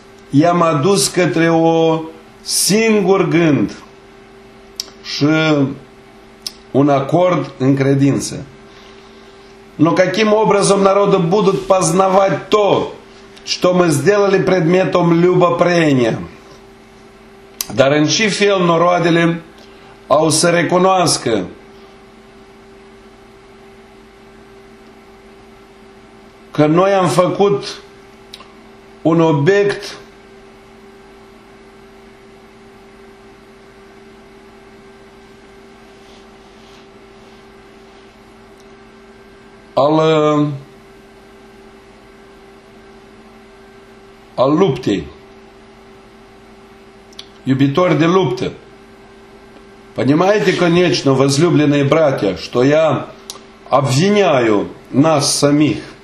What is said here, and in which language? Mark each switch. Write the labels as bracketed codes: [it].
[ro] I-am adus către o singur gând și un acord în credință. [ru] Но каким образом народы будут познавать то, что мы сделали предметом любопрения? [ro] Dar în ce fel noroadele au să recunoască că noi am făcut un obiect al luptei? Iubitori de luptă. [ru] Понимаете, конечно, возлюбленные братья, что я обвиняю нас самих.